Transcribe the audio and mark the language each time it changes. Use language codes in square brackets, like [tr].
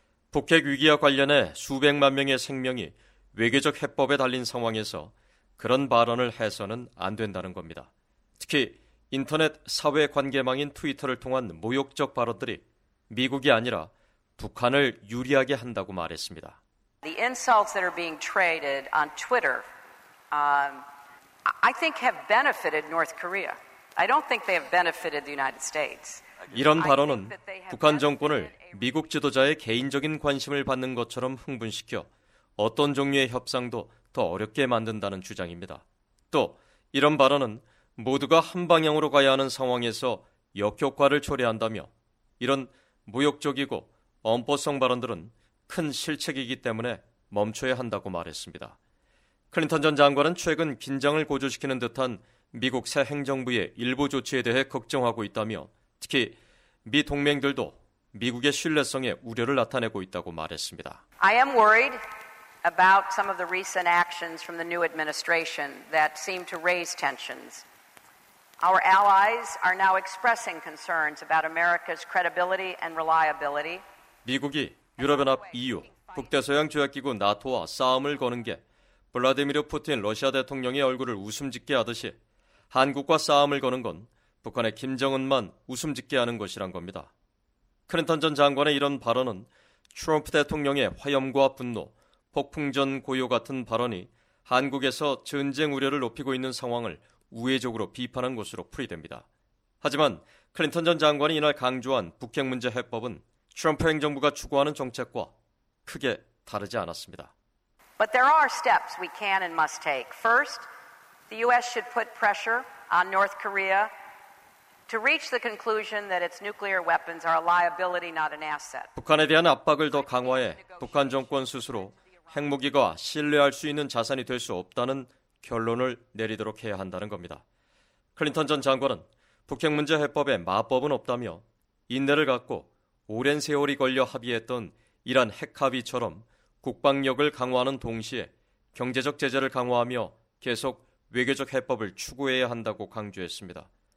[ko] 북핵 위기와 관련해 수백만 명의 생명이 외교적 해법에 달린 상황에서 그런 발언을 해서는 안 된다는 겁니다. 특히 인터넷 사회관계망인 트위터를 통한 모욕적 발언들이 미국이 아니라 북한을 유리하게 한다고 말했습니다. [en] The insults that are being traded on Twitter I think have benefited North Korea. I don't think they have benefited the United States. [ko] 이런 발언은 북한 정권을 미국 지도자의 개인적인 관심을 받는 것처럼 흥분시켜 어떤 종류의 협상도 더 어렵게 만든다는 주장입니다. 또 이런 발언은 모두가 한 방향으로 가야 하는 상황에서 역효과를 초래한다며 이런 모욕적이고 엄포성 발언들은 큰 실책이기 때문에 멈춰야 한다고 말했습니다. 클린턴 전 장관은 최근 긴장을 고조시키는 듯한 미국 새 행정부의 일부 조치에 대해 걱정하고 있다며 특히 미 동맹들도 미국의 신뢰성에 우려를 나타내고 있다고 말했습니다. [en] I am worried about some of the recent actions from the new administration that seem to raise tensions. Our allies are now expressing concerns about America's credibility and reliability. [ko] 미국이 유럽연합 EU, 북대서양 조약기구 나토와 싸움을 거는 게 블라디미르 푸틴 러시아 대통령의 얼굴을 웃음짓게 하듯이 한국과 싸움을 거는 건 북한의 김정은만 웃음짓게 하는 것이란 겁니다. 클린턴 전 장관의 이런 발언은 트럼프 대통령의 화염과 분노, 폭풍전 고요 같은 발언이 한국에서 전쟁 우려를 높이고 있는 상황을 우회적으로 비판한 것으로 풀이됩니다. 하지만 클린턴 전 장관이 이날 강조한 북핵 문제 해법은 트럼프 행정부가 추구하는 정책과 크게 다르지 않았습니다. [en] But there are steps we can and must take. First, the U.S. should put pressure on North Korea to reach the conclusion that its nuclear weapons are a liability, not an asset. [ko] 북한에 대한 압박을 더 강화해 북한 정권 스스로 핵무기가 신뢰할 수 있는 자산이 될 수 없다는 결론을 내리도록 해야 한다는 겁니다. 클린턴 전 장관은 북핵 문제 해법에 마법은 없다며 인내를 갖고 오랜 세월이 걸려 합의했던 이란 핵합의처럼 국방력을 강화하는 동시에 경제적 제재를 강화하며 계속 외교적 해법을 추구해야 한다고 강조했습니다.